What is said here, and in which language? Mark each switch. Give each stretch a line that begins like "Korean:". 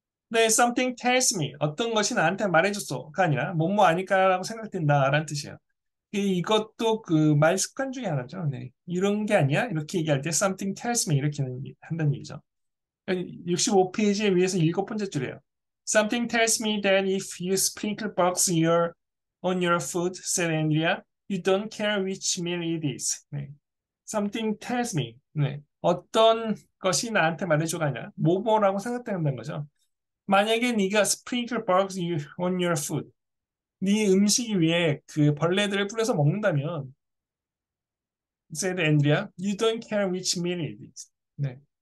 English: 네, something tells me.
Korean: 어떤 것이 나한테 말해줬어가 아니라 뭐뭐 아닐까라고 생각된다라는 뜻이에요. 이것도 그말 습관 중에 하나죠. 네. 이런 게 아니야? 이렇게 얘기할 때
English: something tells me
Korean: 이렇게 한다는 얘기죠. 65페이지에 위에서 일곱 번째 줄이에요.
English: Something tells me that if you sprinkle bugs on your food, said Andrea, you don't care which meal it is. 네. Something tells me. 네.
Korean: 어떤 것이 나한테 말해줘가냐? 뭐뭐라고 생각된다는 거죠. 만약에 네가
English: sprinkle bugs on your food.
Korean: 네 음식 위에 그 벌레들을 뿌려서 먹는다면,
English: said Andrea, you don't care which meal it is. 네.